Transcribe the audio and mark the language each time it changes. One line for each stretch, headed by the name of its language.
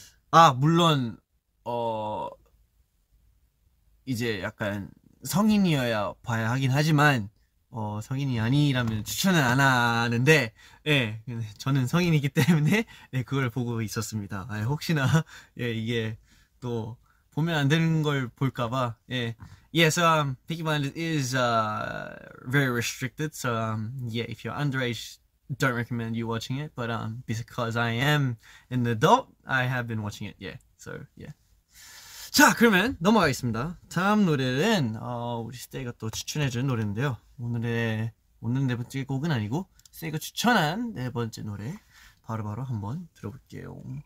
Korean: 아, 물론, 이제 약간 성인이어야 봐야 하긴 하지만, 성인이 아니라면 추천은 안 하는데, 예, 저는 성인이기 때문에, 예, 그걸 보고 있었습니다. 아, 혹시나, 예, 이게 또, 보면 안 되는 걸 볼까봐, 예.
English: Yeah, so, Peaky Blinders is, very restricted, so, yeah, if you're underage, don't recommend you watching it, but, because I am an adult, I have been watching it, yeah, so, yeah.
Korean: 자, 그러면 넘어가겠습니다. 다음 노래는, 우리 스테이가 또 추천해주는 노래인데요. 오늘 네 번째 곡은 아니고 세이가 추천한 네 번째 노래 바로 한번 들어볼게요.